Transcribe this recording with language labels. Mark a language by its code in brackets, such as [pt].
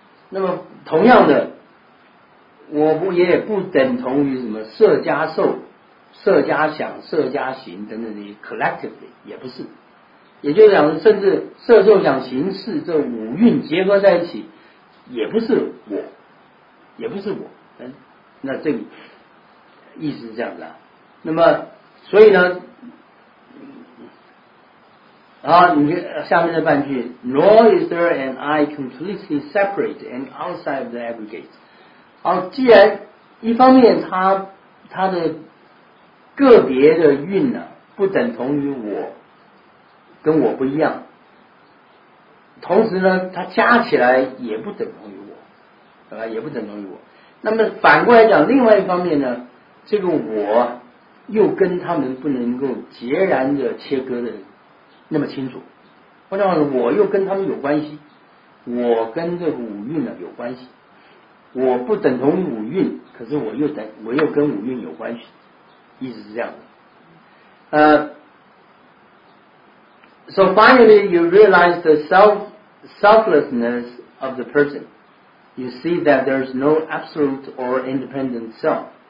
[zh] 那么同样的，我不也不等同于什么色加受、色加想、色加行等等的 collectively 也不是，也就是讲，甚至色受想行识这五蕴结合在一起，也不是我，也不是我。那这个意思是这样子啊。那么所以呢，然后你下面的半句 [en] Nor is there an I completely separate and outside of the aggregate. [zh] 好，既然一方面它的个别的运呢、啊、不等同于我，跟我不一样，同时呢它加起来也不等同于我，也不等同于我。那么反过来讲，另外一方面呢，这个我又跟他们不能够截然的切割的那么清楚，换句话说，我又跟他们有关系，我跟这个五蕴呢有关系，我不等同五蕴，可是我又跟五蕴有关系，意思是这样的。 [en] So finally, you realize the selflessness of the person. You see that there's no absolute or independent self.